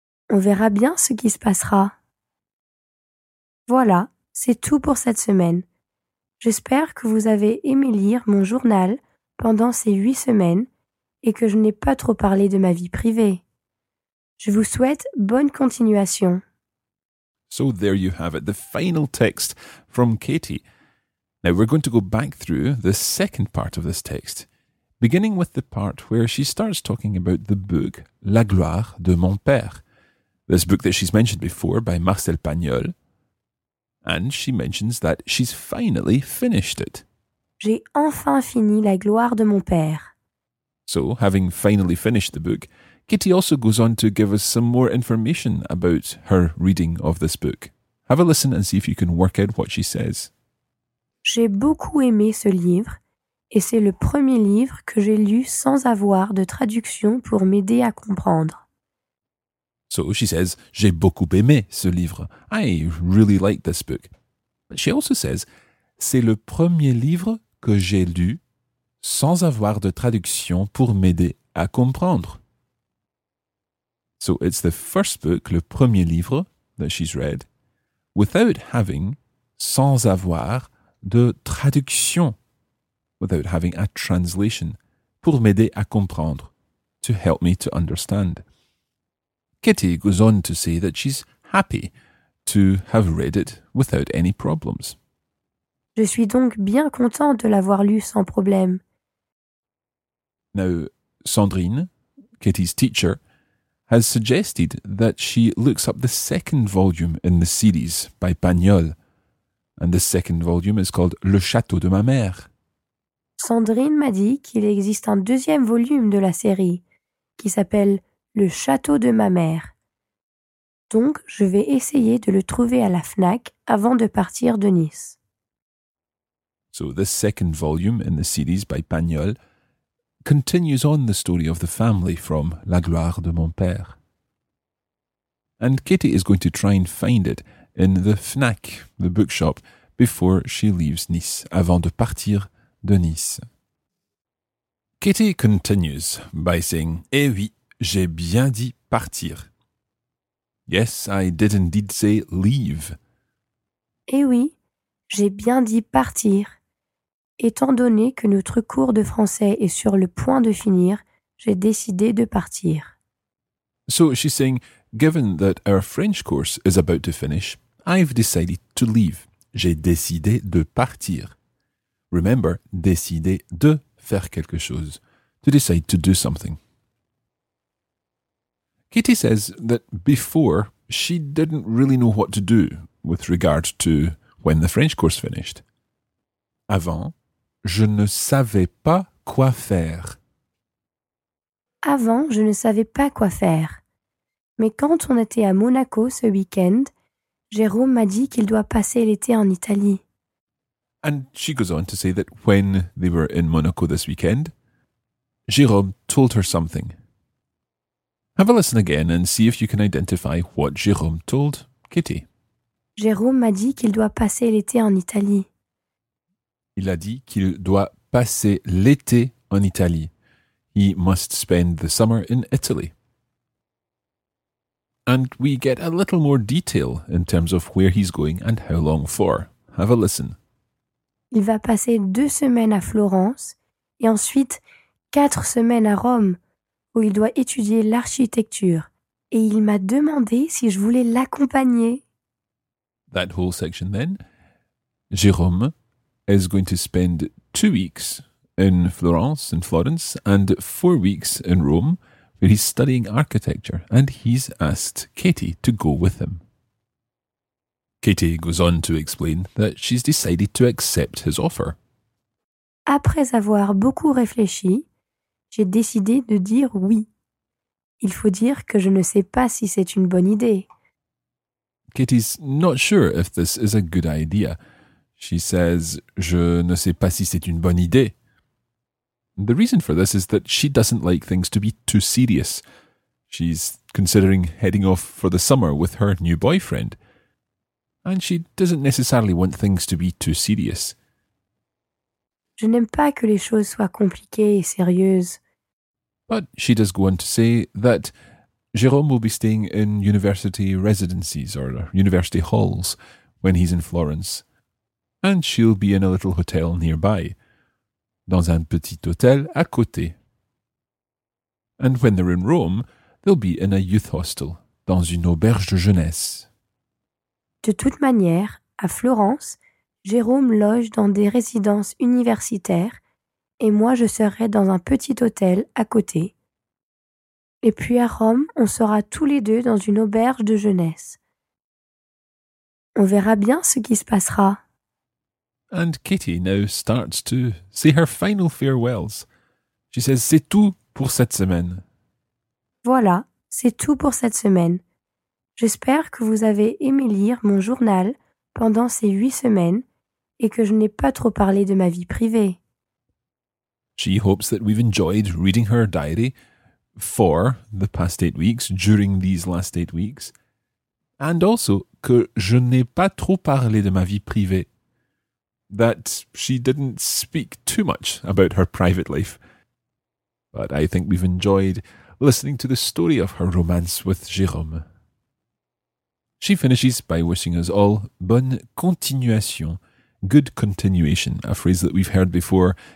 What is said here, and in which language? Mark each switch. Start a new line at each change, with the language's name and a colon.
French: On verra bien ce qui se passera. Voilà, c'est tout pour cette semaine. J'espère que vous avez aimé lire mon journal pendant ces 8 semaines et que je n'ai pas trop parlé de ma vie privée. Je vous souhaite bonne continuation.
English: So there you have it, the final text from Katie. Now we're going to go back through the second part of this text, beginning with the part where she starts talking about the book La gloire de mon père, this book that she's mentioned before by Marcel Pagnol. And she mentions that she's finally finished it.
French: J'ai enfin fini La gloire de mon père.
English: So, having finally finished the book, Kitty also goes on to give us some more information about her reading of this book. Have a listen and see if you can work out what she says.
French: J'ai beaucoup aimé ce livre et c'est le premier livre que j'ai lu sans avoir de traduction pour m'aider à comprendre.
English: So she says,
French: j'ai beaucoup aimé ce livre.
English: I really like this book. But she also says,
French: c'est le premier livre que j'ai lu sans avoir de traduction pour m'aider à comprendre.
English: So it's the first book,
French: le premier livre
English: that she's read, without having,
French: sans avoir, de traduction,
English: without having a translation,
French: pour m'aider à comprendre,
English: to help me to understand. Kitty goes on to say that she's happy to have read it without any problems.
French: Je suis donc bien contente de l'avoir lu sans problème.
English: Now, Sandrine, Kitty's teacher, has suggested that she looks up the second volume in the series by Pagnol. And the second volume is called Le Château de ma mère.
French: Sandrine m'a dit qu'il existe un deuxième volume de la série qui s'appelle Le Château de ma mère. Donc, je vais essayer de le trouver à la FNAC avant de partir de Nice.
English: So, the second volume in the series by Pagnol continues on the story of the family from La Gloire de mon père. And Kitty is going to try and find it in the FNAC, the bookshop, before she leaves Nice,
French: avant de partir de Nice.
English: Kitty continues by saying,
French: eh oui, j'ai bien dit partir.
English: Yes, I did indeed say leave.
French: Eh oui, j'ai bien dit partir. Étant donné que notre cours de français est sur le point de finir, j'ai décidé de partir.
English: So she's saying, given that our French course is about to finish, I've decided to leave.
French: J'ai décidé de partir.
English: Remember,
French: décider de faire quelque chose.
English: To decide to do something. Kitty says that before, she didn't really know what to do with regard to when the French course finished.
French: Avant, je ne savais pas quoi faire. Avant, je ne savais pas quoi faire. Mais quand on était à Monaco ce week-end, Jérôme m'a dit qu'il doit passer l'été en Italie.
English: And she goes on to say that when they were in Monaco this weekend, Jérôme told her something. Have a listen again and see if you can identify what Jérôme told Kitty.
French: Jérôme m'a dit qu'il doit passer l'été en Italie. Il a dit qu'il doit passer l'été en Italie.
English: He must spend the summer in Italy. And we get a little more detail in terms of where he's going and how long for. Have a listen.
French: Il va passer 2 semaines à Florence et ensuite 4 semaines à Rome, où il doit étudier l'architecture. Et il m'a demandé si je voulais l'accompagner.
English: That whole section then. Jérôme is going to spend 2 weeks in Florence, in Florence, and 4 weeks in Rome, where he's studying architecture, and he's asked Katie to go with him. Katie goes on to explain that she's decided to accept his offer.
French: Après avoir beaucoup réfléchi, j'ai décidé de dire oui. Il faut dire que je ne sais pas si c'est une bonne idée.
English: Katie's not sure if this is a good idea. She says,
French: je ne sais pas si c'est une bonne idée.
English: The reason for this is that she doesn't like things to be too serious. She's considering heading off for the summer with her new boyfriend. And she doesn't necessarily want things to be too serious.
French: Je n'aime pas que les choses soient compliquées et sérieuses.
English: But she does go on to say that Jérôme will be staying in university residences or university halls when he's in Florence. And she'll be in a little hotel nearby,
French: dans un petit hôtel à côté.
English: And when they're in Rome, they'll be in a youth hostel,
French: dans une auberge de jeunesse. De toute manière, à Florence, Jérôme loge dans des résidences universitaires et moi je serai dans un petit hôtel à côté. Et puis à Rome, on sera tous les deux dans une auberge de jeunesse. On verra bien ce qui se passera.
English: And Kitty now starts to say her final farewells. She says,
French: c'est tout pour cette semaine. Voilà, c'est tout pour cette semaine. J'espère que vous avez aimé lire mon journal pendant ces 8 semaines et que je n'ai pas trop parlé de ma vie privée.
English: She hopes that we've enjoyed reading her diary for the past 8 weeks, during these last 8 weeks. And also,
French: que je n'ai pas trop parlé de ma vie privée.
English: That she didn't speak too much about her private life. But I think we've enjoyed listening to the story of her romance with Jérôme. She finishes by wishing us all
French: bonne continuation,
English: good continuation, a phrase that we've heard before.